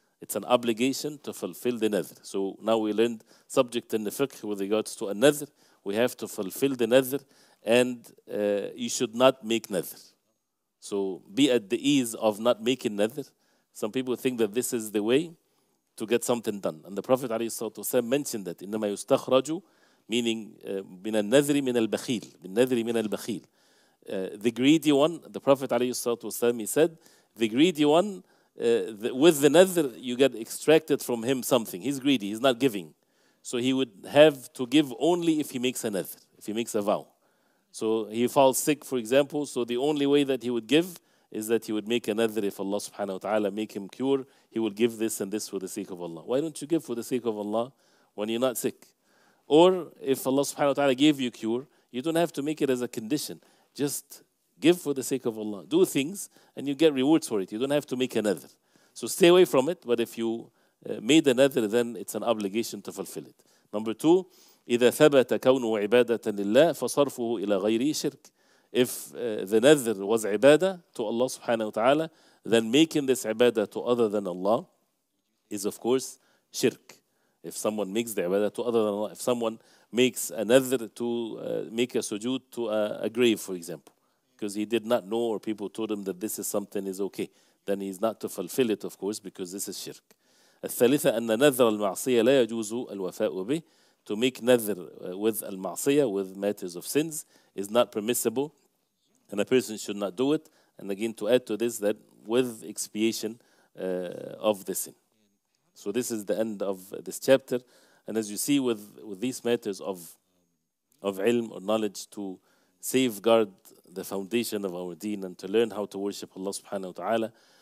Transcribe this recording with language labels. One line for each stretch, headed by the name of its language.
English: It's an obligation to fulfill the nadhr. So now we learned subject in the fiqh with regards to a nadhr. We have to fulfill the nadhr, and you should not make nadhr. So be at the ease of not making nadhr. Some people think that this is the way to get something done. And the Prophet ﷺ mentioned that,
Arabic: إِنَّمَا يُسْتَخْرَجُ,
English: meaning
Arabic: مِنَ النَّذْرِ مِنَ الْبَخِيلِ, بِالنَّذْرِ مِنَ الْبَخِيلِ.
English: The greedy one, the Prophet ﷺ, he said, the greedy one, with the nadhr, you get extracted from him something. He's greedy, he's not giving. So he would have to give only if he makes a nadhr, if he makes a vow. So he falls sick, for example, so the only way that he would give is that he would make a nadhr. If Allah subhanahu wa ta'ala make him cure, he will give this and this for the sake of Allah. Why don't you give for the sake of Allah when you're not sick? Or if Allah subhanahu wa ta'ala gave you cure, you don't have to make it as a condition. Just give for the sake of Allah. Do things and you get rewards for it. You don't have to make a nadhr. So stay away from it. But if you made a nadhr, then it's an obligation to fulfill it. Number two,
Arabic: إِذَا ثَبَتَ كَوْنُهُ عِبَادَةً لِلَّهِ فَصَرْفُهُ إِلَى غَيْرِهِ شِرْكٍ.
English: If the nadhr was ibadah to Allah subhanahu wa ta'ala, then making this ibadah to other than Allah is, of course, shirk. If someone makes the ibadah to other than Allah, if someone makes a nadhr to make a sujood to a grave, for example, because he did not know or people told him that this is something is okay, then he's not to fulfill it, of course, because this is shirk.
Arabic: الثالثة أن نذر المعصية لا يجوز الوفاء به.
English: To make nadhr with al-ma'asiyah, with matters of sins, is not permissible, and a person should not do it. And again, to add to this, that with expiation of the sin. So this is the end of this chapter. And as you see, with these matters of ilm or knowledge, to safeguard the foundation of our deen and to learn how to worship Allah subhanahu wa ta'ala.